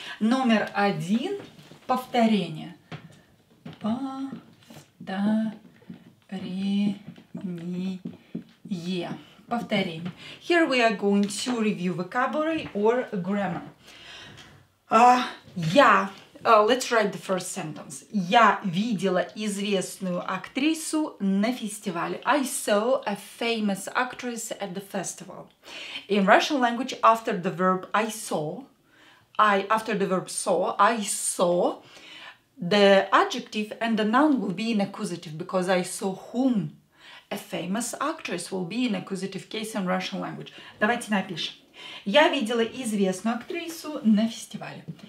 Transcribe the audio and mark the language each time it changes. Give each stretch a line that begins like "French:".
Russian: Номер один, повторение. Повторение. Повторение.
English: Here we are going to review vocabulary or grammar. Let's write the first sentence.
Russian: Я видела известную актрису на фестивале.
English: I saw a famous actress at the festival. In Russian language, after the verb I saw, the adjective and the noun will be in accusative because I saw whom. A famous actress will be in accusative case in Russian language.
Russian: Давайте напишем. Я видела известную актрису на фестивале.